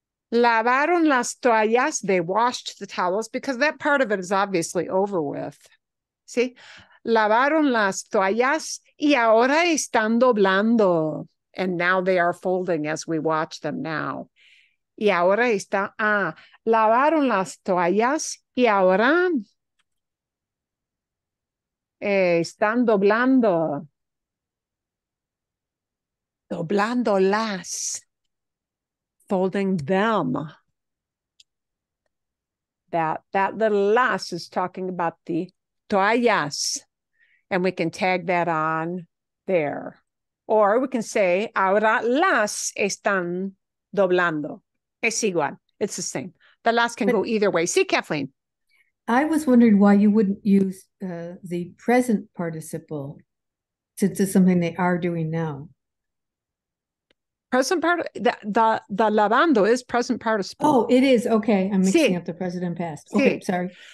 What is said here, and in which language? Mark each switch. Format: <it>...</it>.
<es>Lavaron las toallas.</es> <en>They washed the towels because that part of it is obviously over with.</en> <es>¿Sí? Lavaron las toallas y ahora están doblando.</es> <en>And now they are folding as we watch them now.</en> <es>Y ahora está, ah, lavaron las toallas y ahora están doblando. Doblando las,</es> <en>folding them. That little las is talking about the toallas. And we can tag that on there. Or we can say,</en> <es>ahora las están doblando. Es igual.</es> <en>It's the same. The las can go either way. See, Kathleen? I was wondering why you wouldn't use the present participle since it's something they are doing now. Present participle? The lavando is present participle. Oh, it is. Okay. I'm mixing up the present and past. Okay, sorry.</en>